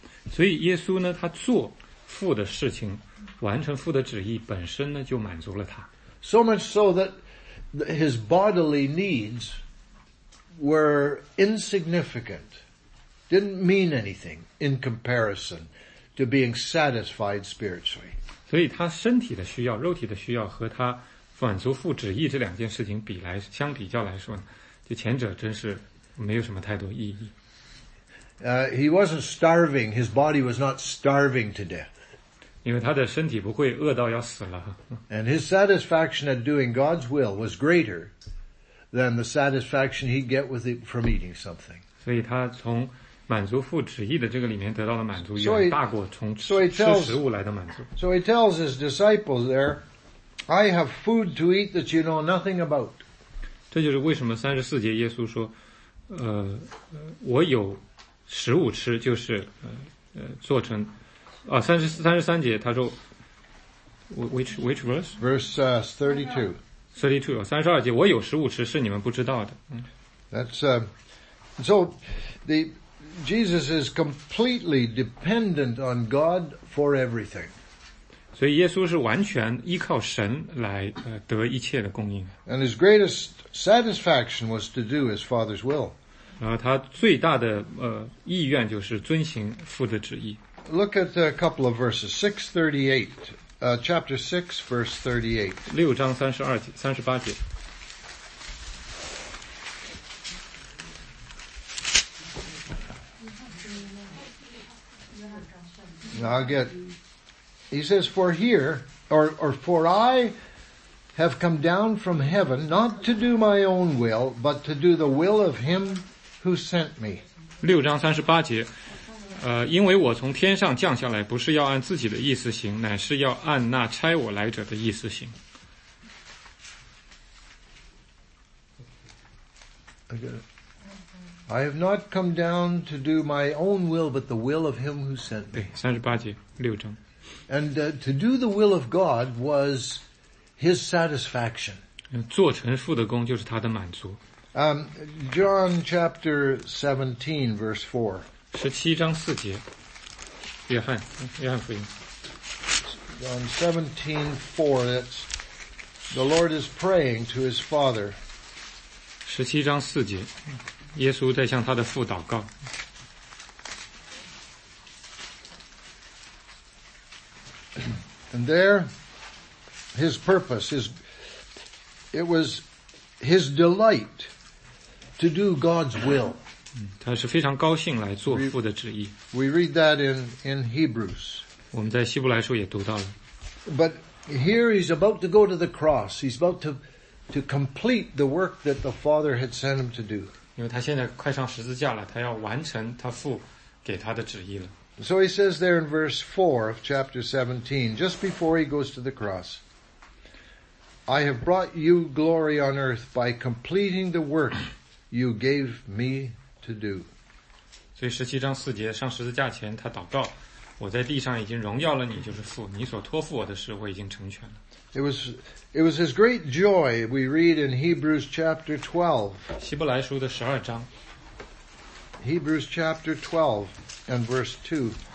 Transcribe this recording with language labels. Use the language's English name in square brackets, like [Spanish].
[Chinese] 所以耶稣呢他做父的事情完成父的旨意本身呢就满足了他。 [English] So much so that his bodily needs,were insignificant, didn't mean anything in comparison to being satisfied spiritually. [Chinese] 所以他身体的需要肉体的需要和他满足父旨意这两件事情相比较来说就前者真是没有什么太多意义。 [English] He wasn't starving, his body was not starving to death. [Chinese] 因为他的身体不会饿到要死了。 [English] And his satisfaction at doing God's will was greater than the satisfaction he'd get with it from eating something. [Chinese] 所以他从满足父旨意的这个里面得到了满足远大过从吃食物来的满足。 [English] So he tells his disciples there, I have food to eat that you know nothing about. [Chinese] 这就是为什么34节耶稣说我有食物吃就是做成33节他说 [English] which verse? Verse 32. [Chinese] 32节我有食物吃是你们不知道的。 [English] That's, so, Jesus is completely dependent on God for everything. [Chinese] 所以耶稣是完全依靠神来得一切的供应。 [English] And his greatest satisfaction was to do his father's will. [Chinese] 他最大的意愿就是遵行父的旨意。 [English] Look at a couple of verses, 638, chapter 6, verse 38. [Chinese] 六章38节。 [English] Now I'll get, he says, for here, or for I have come down from heaven, not to do my own will, but to do the will of him who sent me. [Chinese] 六章三十八节，因为我从天上降下来，不是要按自己的意思行，乃是要按那差我来者的意思行。 [English] I have not come down to do my own will, but the will of him who sent me. [Chinese] 对，三十八节，六章。 [English] And to do the will of God was his satisfaction. [Chinese] 做成父的工就是他的满足。 [English] John chapter 17, verse 4. [Chinese] 十七章四节，约翰福音。 [English] John 17, 4, that's the Lord is praying to his father. [Chinese] 十七章四节。耶稣在向他的父祷告。 [English] And there, his purpose, it was his delight to do God's will. [Chinese] 他是非常高兴来做父的旨意。 [English] We read that in Hebrews. [Chinese] 我们在希伯来书也读到了。 [English] But here he's about to go to the cross. He's about to complete the work that the Father had sent him to do. [Chinese] 因为他现在快上十字架了，他要完成他父给他的旨意了。 [English] So he says there in verse 4 of chapter 17, just before he goes to the cross, I have brought you glory on earth by completing the work you gave me to do. [Chinese] 所以十七章四节上十字架前他祷告，我在地上已经荣耀了你，就是父，你所托付我的事我已经成全了。 [English] It was his great joy, we read in Hebrews chapter 12. [Chinese] 希伯来书的十二章。 [English] Hebrews chapter 12 and verse 2.